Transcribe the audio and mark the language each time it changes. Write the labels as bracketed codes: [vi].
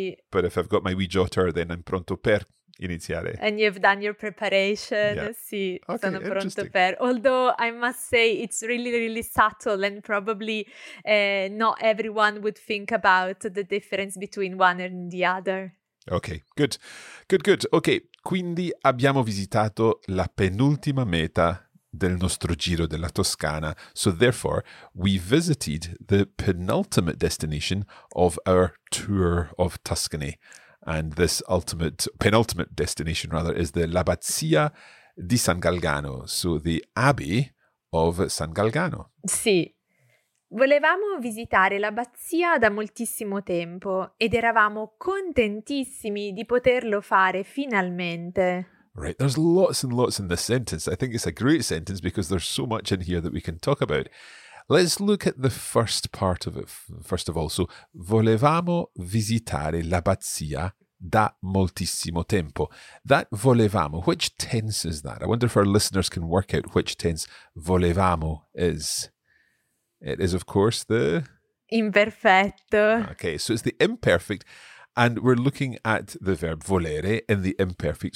[en] But if I've got my wee jotter, then I'm [it] pronto per iniziare. [en] And you've done your preparation. Yeah. [it] Sì, [en] okay, [it] sono pronto per. [en] Although I must say it's really, really subtle and probably not everyone would think about the difference between one and the other. Okay, good. Good, good. [it] Okay, quindi abbiamo visitato la penultima meta del nostro giro della Toscana. [en] So therefore, we visited the penultimate destination of our tour of Tuscany. And this penultimate destination, rather, is the L'Abbazia di San Galgano. So the Abbey of San Galgano. [it] Sì. Volevamo visitare l'abbazia da moltissimo tempo ed eravamo contentissimi di poterlo fare finalmente. [en] Right, there's lots and lots in this sentence. I think it's a great sentence because there's so much in here that we can talk about. Let's look at the first part of it, first of all. [it] So, volevamo visitare l'abbazia da moltissimo tempo. [en] That volevamo, which tense is that? I wonder if our listeners can work out which tense volevamo is. It is, of course, the... [it] Imperfetto. [en] Okay, so it's the imperfect. And we're looking at the verb volere in the imperfect.